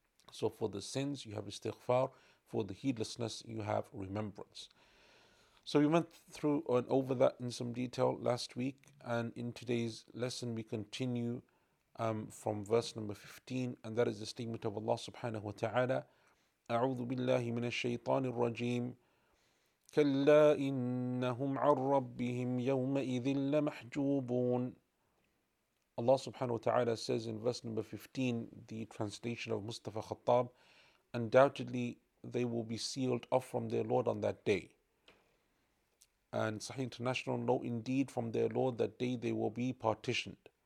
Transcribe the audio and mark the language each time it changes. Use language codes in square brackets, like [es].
[en] So for the sins, you have istighfar. For the heedlessness, you have remembrance. So we went through and over that in some detail last week. And in today's lesson, we continue from verse number 15. And that is the statement of Allah subhanahu wa ta'ala. [ar] أعوذ بالله من الشيطان الرجيم كلا إنهم عن ربهم يومئذ لمحجوبون. [en] Allah subhanahu wa ta'ala says in verse number 15, the translation of Mustafa Khattab, undoubtedly they will be sealed off from their Lord on that day. And Sahih International, no, indeed, from their Lord that day they will be partitioned.